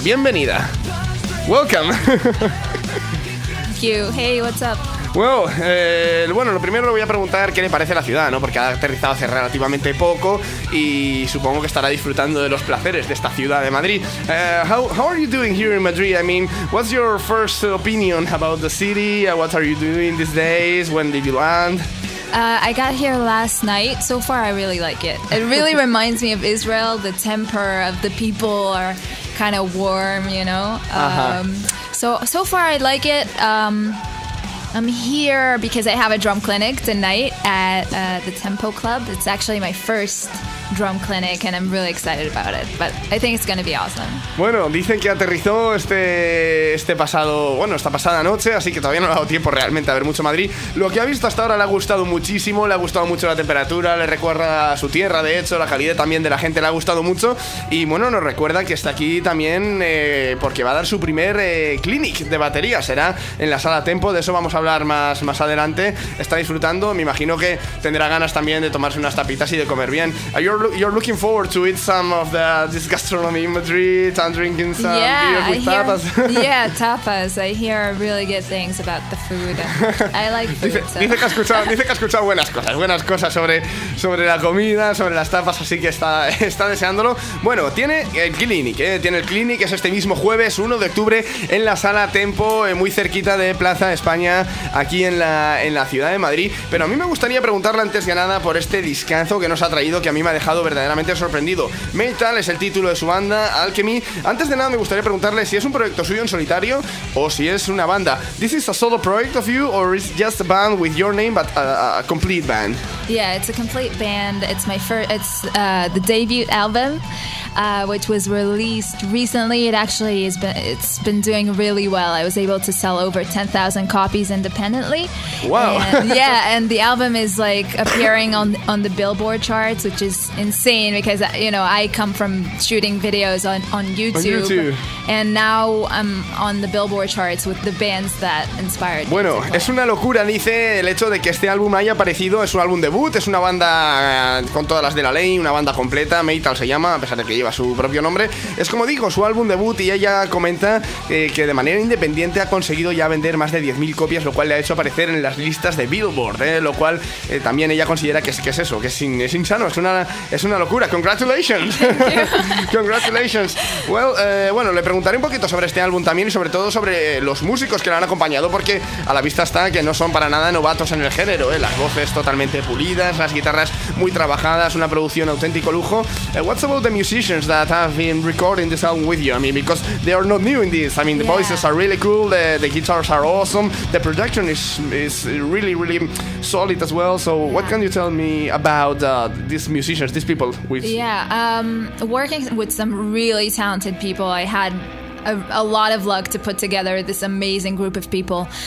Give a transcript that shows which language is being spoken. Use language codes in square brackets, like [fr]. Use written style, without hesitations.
[es] Bienvenida. [en] Welcome. Thank you. Hey, what's up? Well, [es] bueno, lo primero le voy a preguntar qué le parece la ciudad, ¿no? Porque ha aterrizado hace relativamente poco y supongo que estará disfrutando de los placeres de esta ciudad de Madrid. [en] How are you doing here in Madrid? I mean, what's your first opinion about the city? What are you doing these days? When did you land? I got here last night. So far, I really like it. It really reminds me of Israel. The temper of the people are kind of warm, you know? So far, I like it. I'm here because I have a drum clinic tonight at the Tempo Club. It's actually my first drum clinic and I'm really excited about it, but I think it's going to be awesome. [es] Bueno, dicen que aterrizó esta pasada noche, así que todavía no ha dado tiempo realmente a ver mucho Madrid. Lo que ha visto hasta ahora le ha gustado muchísimo, le ha gustado mucho la temperatura, le recuerda a su tierra, de hecho, la calidad también de la gente le ha gustado mucho, y bueno, nos recuerda que está aquí también porque va a dar su primer clinic de batería, será en la sala Tempo, de eso vamos a hablar más adelante. Está disfrutando, me imagino que tendrá ganas también de tomarse unas tapitas y de comer bien. [en] You're looking forward to eat some of this gastronomy in Madrid and drinking some beer with tapas. Yeah, tapas. I hear really good things about the food. I like food. [es] Dice que ha escuchado buenas cosas sobre la comida, sobre las tapas, así que está deseándolo. Bueno, tiene el clinic, es este mismo jueves 1 de octubre en la sala Tempo, muy cerquita de Plaza España, aquí en la ciudad de Madrid. Pero a mí me gustaría preguntarle antes que nada por este discazo que nos ha traído, que a mí me ha dejado verdaderamente sorprendido. Metal es el título de su banda, Alchemy. Antes de nada, me gustaría preguntarle si es un proyecto suyo en solitario o si es una banda. [en] This is a solo project of you or is just a band with your name but a complete band? Yeah, it's a complete band. It's my first, it's the debut album, which was released recently. It actually has been, it's been doing really well. I was able to sell over 10,000 copies independently. Wow. And, yeah, and the album is like appearing on the Billboard charts, which is insane because, you know, I come from shooting videos on YouTube. On YouTube. And now I'm on the Billboard charts with the bands that inspired me. [es] Bueno, es una locura, dice, el hecho de que este álbum haya aparecido. Es un álbum debut, es una banda con todas las de la ley, una banda completa, Metal se llama, a pesar de que lleva su propio nombre. Es, como digo, su álbum debut, y ella comenta que de manera independiente ha conseguido ya vender más de 10.000 copias, lo cual le ha hecho aparecer en las listas de Billboard, lo cual también ella considera que es eso, que es insano, es una locura. [en] Congratulations. Congratulations. Well, [es] bueno, le preguntaré un poquito sobre este álbum también y sobre todo sobre los músicos que lo han acompañado, porque a la vista está que no son para nada novatos en el género, las voces totalmente pulidas, las guitarras muy trabajadas, una producción auténtico lujo. [en] What's about the musicians that have been recording this album with you? I mean, because they are not new in this. I mean, the voices are really cool, the guitars are awesome, the production is really, really solid as well. So what can you tell me about these musicians, these people? Working with some really talented people, I had a lot of luck to put together this amazing group of people.